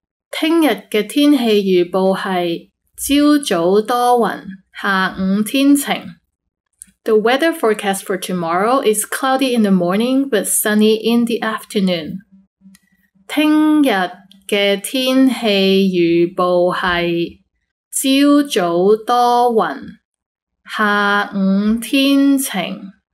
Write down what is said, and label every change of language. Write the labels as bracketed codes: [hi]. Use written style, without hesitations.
[yue] 听日的天气预报是朝早多云，下午天晴。 [en] The weather forecast for tomorrow is cloudy in the morning but sunny in the afternoon。 [yue] 听日的天气预报是朝早多云，下午天晴。